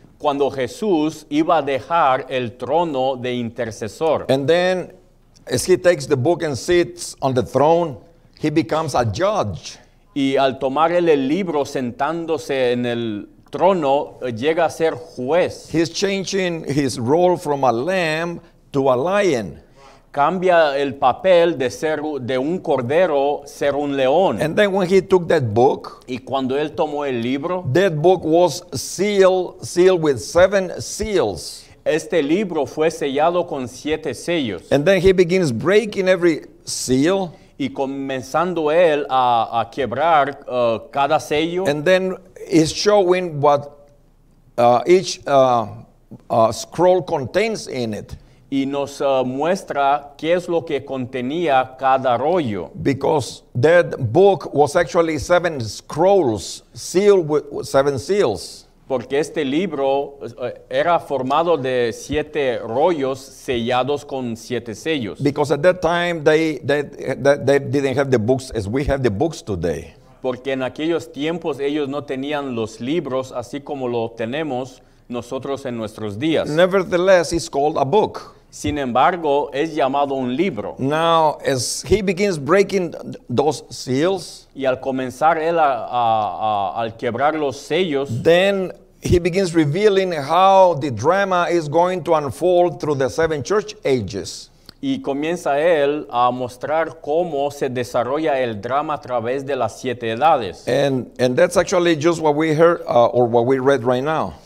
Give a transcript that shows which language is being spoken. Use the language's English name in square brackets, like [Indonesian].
[Spanish] Cuando Jesús iba a dejar el trono de intercesor. [English] And then as he takes the book and sits on the throne, he becomes a judge. [Spanish] Y al tomar el libro sentándose en el trono, llega a ser juez. [English] He's changing his role from a lamb to a lion. [Spanish] Cambia el papel de ser de un cordero, ser un león. [English] And then when he took that book, [Spanish] y cuando él tomó el libro, [English] that book was sealed with seven seals. [Spanish] Este libro fue sellado con siete sellos. [English] And then he begins breaking every seal. [Spanish] Y comenzando él a quebrar cada sello. [English] And then he's showing what each scroll contains in it. [Spanish] Y nos muestra qué es lo que contenía cada rollo. [English] Because that book was actually seven scrolls sealed with seven seals. [Spanish] Porque este libro era formado de siete rollos sellados con siete sellos. [English] Because at that time they didn't have the books as we have the books today. [Spanish] Porque en aquellos tiempos ellos no tenían los libros así como lo tenemos nosotros en nuestros días. [English] Nevertheless, it's called a book. [Spanish] Sin embargo, es llamado un libro. [English] Now, as he begins breaking those seals, [Spanish] y al comenzar él al quebrar los sellos, [English] then he begins revealing how the drama is going to unfold through the seven church ages. [Spanish] Y comienza él a mostrar cómo se desarrolla el drama a través de las siete edades. [English] And that's actually just what we heard or what we read right now.